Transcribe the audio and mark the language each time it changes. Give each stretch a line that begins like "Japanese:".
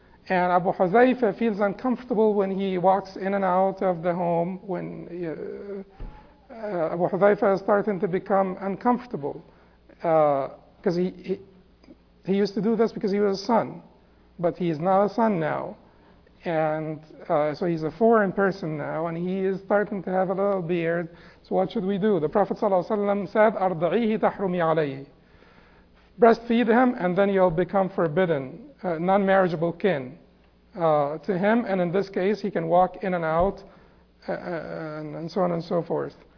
English: And Abu Hudhaifa feels uncomfortable when he walks in and out of the home, when Abu Hudhaifa is starting to become uncomfortable. Because he used to do this because he was a son. But he is not a son now. And so he's a foreign person now, and he is starting to have a little beard. So what should we do? The Prophet ﷺ said,
Arabic: أَرْضَعِيهِ تَحْرُمِي عَلَيْهِ.
English: Breastfeed him, and then you'll become forbidden, non-marriageable kin to him. And in this case, he can walk in and out, and so on and so forth.